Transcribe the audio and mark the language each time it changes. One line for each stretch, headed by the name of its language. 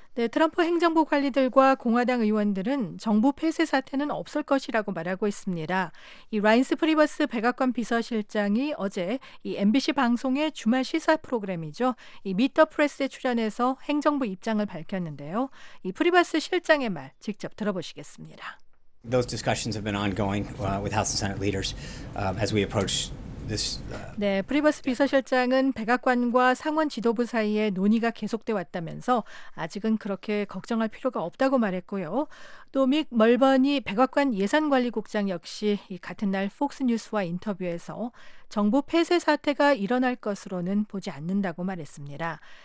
Korean: 네, 트럼프 행정부 관리들과 공화당 의원들은 정부 폐쇄 사태는 없을 것이라고 말하고 있습니다. 이 라인스 프리버스 백악관 비서실장이 어제 이 MBC 방송의 주말 시사 프로그램이죠. 이 미터 프레스에 출연해서 행정부 입장을 밝혔는데요. 이 프리버스 실장의 말 직접 들어보시겠습니다.
English: Those discussions have been ongoing with House and Senate leaders as we approach
Korean: 네, 프리버스 비서실장은 백악관과 상원 지도부 사이에 논의가 계속돼 왔다면서 아직은 그렇게 걱정할 필요가 없다고 말했고요. 또 믹 멀버니 백악관 예산관리국장 역시 같은 날 폭스뉴스와 인터뷰에서 정부 폐쇄 사태가 일어날 것으로는 보지 않는다고 말했습니다.